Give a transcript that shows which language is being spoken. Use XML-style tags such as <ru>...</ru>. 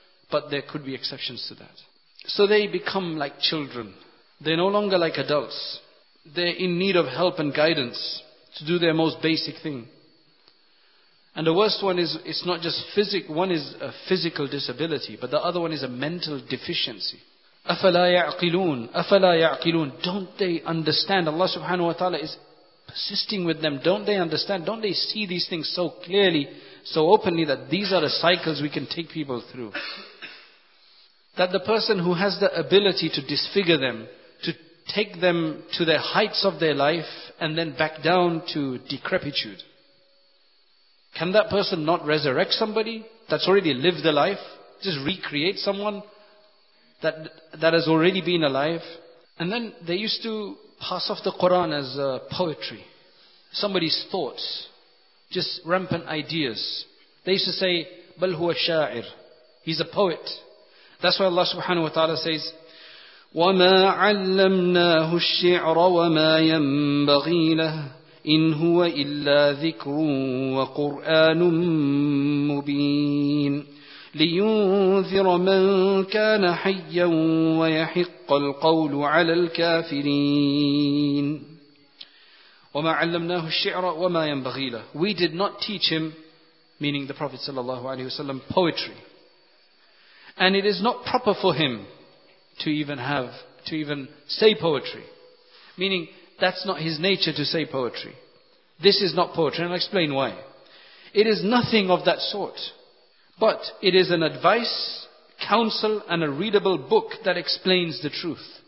<en>But there could be exceptions to that. So they become like children. They're no longer like adults. They're in need of help and guidance to do their most basic thing. And the worst one is, it's not just one is a physical disability, but the other one is a mental deficiency.</en> <ar>أَفَلَا يَعْقِلُونَ أَفَلَا يَعْقِلُونَ</ar> <en>Don't they understand? Allah subhanahu wa ta'ala is persisting with them. Don't they understand? Don't they see these things so clearly, so openly, that these are the cycles we can take people through? That the person who has the ability to disfigure them, to take them to the heights of their life, and then back down to decrepitude. Can that person not resurrect somebody that's already lived a life? Just recreate someone that has already been alive? And then they used to pass off the Quran as poetry. Somebody's thoughts. Just rampant ideas. They used to say,</en> <ar>بَلْ هُوَ الشَّاعِرِ</ar> <en>He's a poet.</en> <ar>That's why Allah subhanahu wa ta'ala says, وَمَا عَلَّمْنَاهُ الشِّعْرَ وَمَا يَنْبَغِي لَهُ إِنْ هُوَ إِلَّا ذِكْرٌ وَقُرْآنٌ مُّبِينٌ لِيُنْذِرَ مَنْ كَانَ حَيًّا وَيَحِقَّ الْقَوْلُ عَلَى الْكَافِرِينَ وَمَا عَلَّمْنَاهُ الشِّعْرَ وَمَا يَنْبَغِي لَهُ</ar> <en>We did not teach him, meaning the Prophet sallallahu alayhi wa sallam, poetry. And it is not proper for him to even say poetry. Meaning, that's not his nature to say poetry. This is not poetry, and I'll explain why. It is nothing of that sort. But it is an advice, counsel, and a readable book that explains the truth.</en>